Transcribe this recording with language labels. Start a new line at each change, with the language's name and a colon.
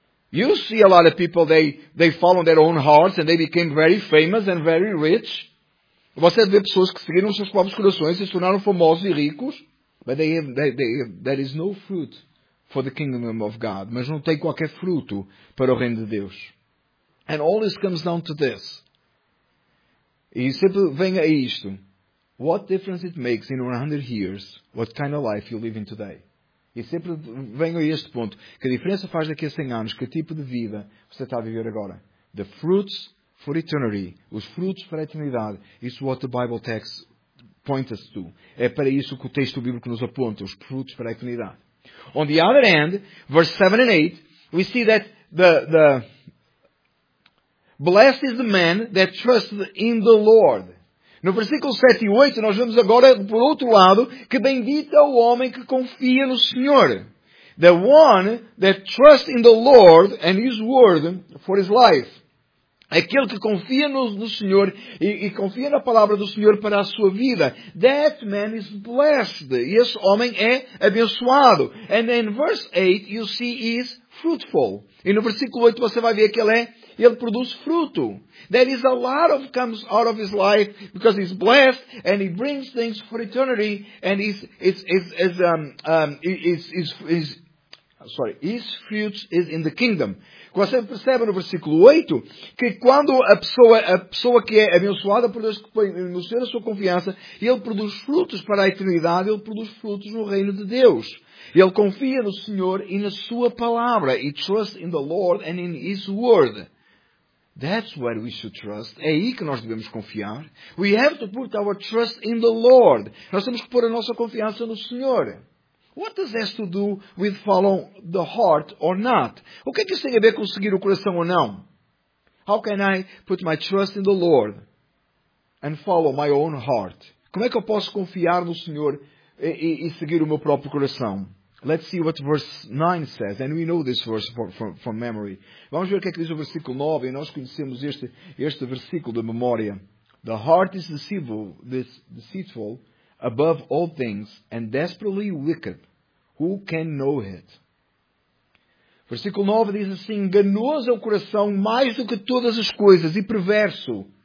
English: You see a lot of people, they follow their own hearts and they became very famous and very rich.
Portuguese: Você vê pessoas que seguiram os seus próprios corações e se tornaram famosos e ricos.
English: But there is no fruit for the kingdom of God.
Portuguese: Mas não tem qualquer fruto para o reino de Deus.
English: And all this comes down to this.
Portuguese: E sempre vem a isto.
English: What difference it makes in 100 years what kind of life you live in today?
Portuguese: E sempre vem a este ponto. Que diferença faz daqui a 100 anos? Que tipo de vida você está a viver agora?
English: The fruits for eternity.
Portuguese: Os frutos para a eternidade.
English: It's what the Bible texts point us to.
Portuguese: É para isso que o texto bíblico nos aponta, os frutos para a eternidade.
English: On the other hand, verse 7 and 8, we see that the blessed is the man that trusts in the Lord.
Portuguese: No versículo 7 e 8, nós vemos agora, por outro lado, que bendito é o homem que confia no Senhor.
English: The one that trusts in the Lord and His word for his life.
Portuguese: Aquele que confia no Senhor e confia na palavra do Senhor para a sua vida.
English: That man is blessed.
Portuguese: Esse homem é abençoado.
English: And in verse 8, you see he is fruitful.
Portuguese: E no versículo 8 você vai ver que ele produz fruto.
English: There is a lot of comes out of his life because he's blessed and he brings things for eternity and his fruit is in the kingdom.
Portuguese: Você percebe no versículo 8 que quando a pessoa que é abençoada por Deus, que põe no Senhor a sua confiança, ele produz frutos para a eternidade, ele produz frutos no reino de Deus. Ele confia no Senhor e na sua palavra.
English: He trusts in the Lord and in His word. That's where we should trust.
Portuguese: É aí que nós devemos confiar.
English: We have to put our trust in the Lord.
Portuguese: Nós temos que pôr a nossa confiança no Senhor.
English: What does this to do with following the heart or not?
Portuguese: O que é que isso tem a ver com seguir o coração ou não?
English: How can I put my trust in the Lord and follow my own heart?
Portuguese: Como é que eu posso confiar no Senhor e seguir o meu próprio coração?
English: Let's see what verse 9 says. And we know this verse from memory.
Portuguese: Vamos ver o que é que diz o versículo 9. E nós conhecemos este versículo de memória.
English: The heart is deceitful above all things, and desperately wicked. Who can know it?
Portuguese: Versículo 9 diz assim, enganoso é o coração mais do que todas as coisas, e perverso.